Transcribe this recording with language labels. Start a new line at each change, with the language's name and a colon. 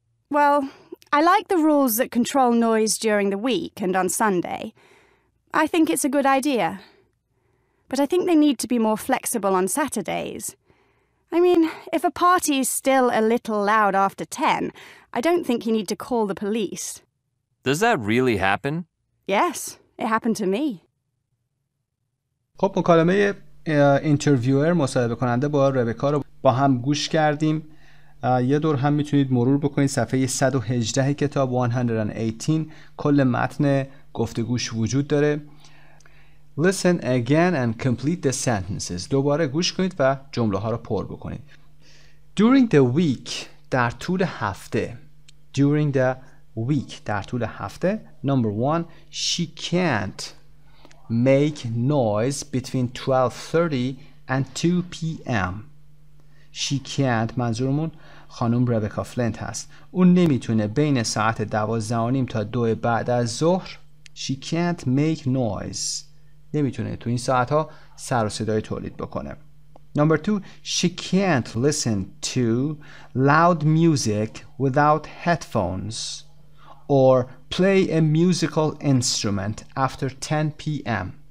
English: Well, I like the rules that control noise during the week and on Sunday. I think it's a good idea. But I think they need to be more flexible on Saturdays. I mean, if a party is still a little loud after 10, I don't think you need to call the police. Does that really happen? Yes, it happened to me.
Persian: خب مکالمه اینترویور مصاحبه کننده با ربکا رو با هم گوش کردیم. یه دور هم میتونید مرور بکنید صفحه 118 کتاب 118 کل متن گفتگوش وجود داره.
English: Listen again and complete the sentences.
Persian: دوباره گوش کنید و جمله ها رو پر بکنید.
English: During the week
Persian: در طول هفته.
English: During the week در طول هفته. Number one, she can't make noise between 12:30 and 2 p.m. She can't,
Persian: منظورمون خانم ربکا فلنت هست. اون نمیتونه بین ساعت 12:30 تا 2 بعد از ظهر.
English: She can't make noise.
Persian: نمیتونه تو این ساعت ها سر و صدای تولید بکنه.
English: Number two, she can't listen to loud music without headphones or play a musical instrument after 10 p.m.